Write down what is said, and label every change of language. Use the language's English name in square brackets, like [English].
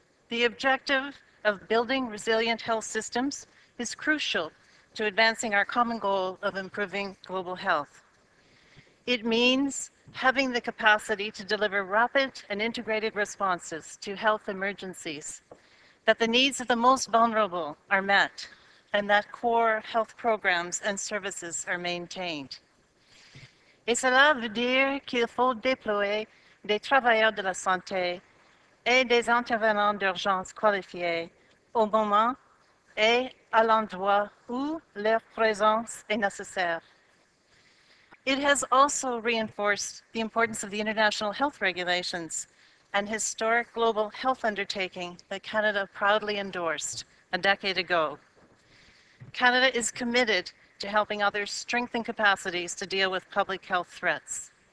[English] The objective of building resilient health systems is crucial to advancing our common goal of improving global health. It means having the capacity to deliver rapid and integrated responses to health emergencies, that the needs of the most vulnerable are met, and that core health programs and services are maintained. [French] Et cela veut dire qu'il faut déployer des travailleurs de la santé et des intervenants d'urgence qualifiés au moment et à l'endroit où leur présence est nécessaire. [English] It has also reinforced the importance of the international health regulations, an historic global health undertaking that Canada proudly endorsed a decade ago. Canada is committed to helping others strengthen capacities to deal with public health threats.